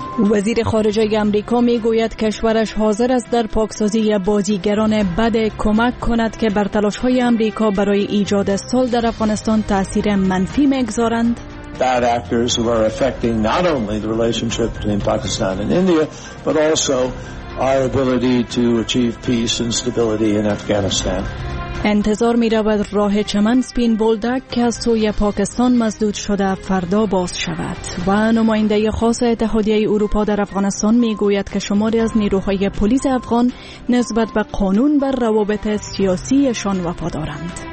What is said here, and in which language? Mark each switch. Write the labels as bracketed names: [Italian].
[Persian] وزیر خارجه آمریکا میگوید کشورش حاضر است در پاکسازی بازیگران بد کمک کند که بر تلاش‌های آمریکا برای ایجاد صلح در افغانستان تأثیر منفی می‌گذارند. [English] Bad actors who are affecting not only the relationship between Pakistan and India, but also our ability to achieve peace and stability in Afghanistan. [Persian] انتظار می‌رود راه چمن سپین بولدک که از سوی پاکستان مسدود شده فردا باز شود. و نماینده خاص اتحادیه اروپا در افغانستان می‌گوید که شماری از نیروهای پلیس افغان نسبت به قانون بر روابط سیاسیشان وفادارند.